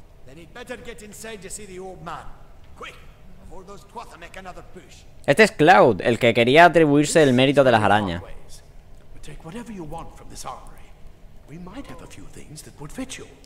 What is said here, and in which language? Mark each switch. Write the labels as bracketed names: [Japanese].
[English] Then he'd better get inside to see the old man. Quick, before those twatha make another push. [Spanish] Este es Cloud, el que quería atribuirse el mérito de las arañas. [English] Take whatever you want from this armory. We might have a few things that would fit you.